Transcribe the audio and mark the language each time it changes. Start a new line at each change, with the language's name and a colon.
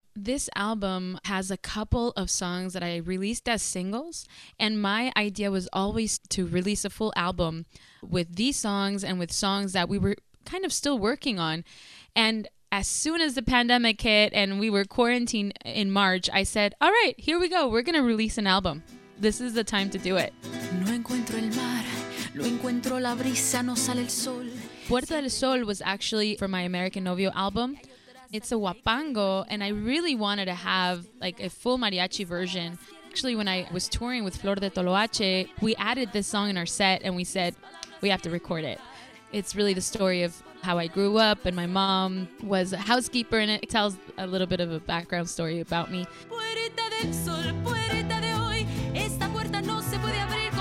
English: This album has a couple of songs that I released as singles, and my idea was always to release a full album with these songs and with songs that we were kind of still working on. And as soon as the pandemic hit and we were quarantined in March, I said, all right, here we go. We're going to release an album. This is the time to do it.
Spanish: No encuentro el mar, lo encuentro la brisa, no sale el sol.
English: Puerto del Sol was actually for my American Novio album. It's a huapango, and I really wanted to have like a full mariachi version. Actually, when I was touring with Flor de Toloache, we added this song in our set, and we said, we have to record it. It's really the story of how I grew up, and my mom was a housekeeper, and it tells a little bit of a background story about me.
Spanish: Puerta del Sol, puerta de hoy, esta puerta no se puede abrir.